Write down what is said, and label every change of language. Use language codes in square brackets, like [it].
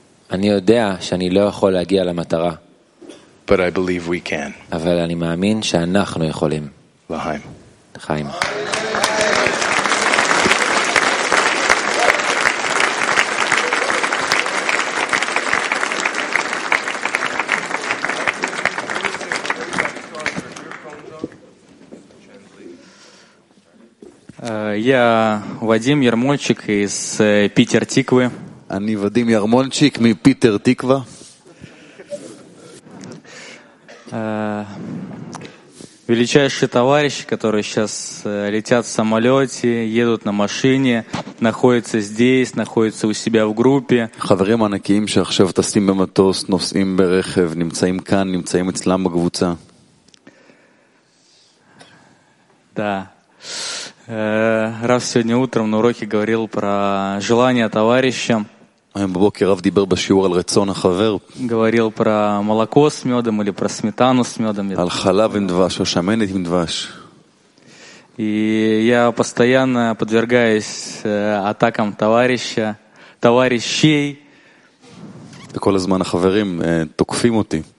[he] אני יודע שאני לא יכול להגיע למטרה. [en] But I believe we can. [he] אבל אני מאמין שאנחנו יכולים. לחיים. לחיים. [ru] Я Вадим Ярмончик из Питер Тиквы. [he] אני ודים ירמונצ'יק מפיטר תקווה. [ru] Величайшие товарищи, которые сейчас летят в самолёте, едут на машине, находятся здесь, находятся у себя в группе. [he] חברים ענקיים שעכשיו טסים במטוס, נוסעים ברכב, נמצאים כאן, נמצאים אצלם בקבוצה. [ru] Да. Раз сегодня утром на уроке говорил про желания товарища. [he] היום בבוקר רב דיבר בשיעור על רצון החבר. [ru] говорил про молоко с мёдом или про сметану с мёдом. [he] על חלב עם דבש או שמנת עם דבש. [ru] И я постоянно подвергаюсь атакам товарища, товарищей. [he] וכל הזמן החברים תוקפים אותי.